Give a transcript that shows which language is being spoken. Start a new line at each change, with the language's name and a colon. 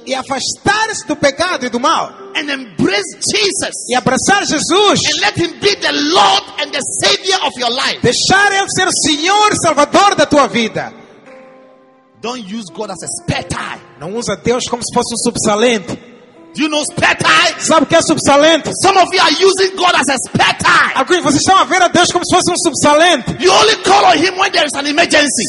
Portuguese: E afastar-se do pecado e do mal.
English: And embrace Jesus.
Portuguese: E abraçar Jesus.
English: And let him be the Lord and the Savior of your life.
Portuguese: Deixar ele ser o Senhor e Salvador da tua vida.
English: Don't use God as a spare tire.
Portuguese: Não usa Deus como se fosse subsalente.
English: Do you know spare tire?
Portuguese: Sabe o que é subsalente?
English: Some of you are using God as a spare tire.
Portuguese: Alguns de vocês estão a ver a Deus como se fosse subsalente.
English: You only call on him when there is an emergency.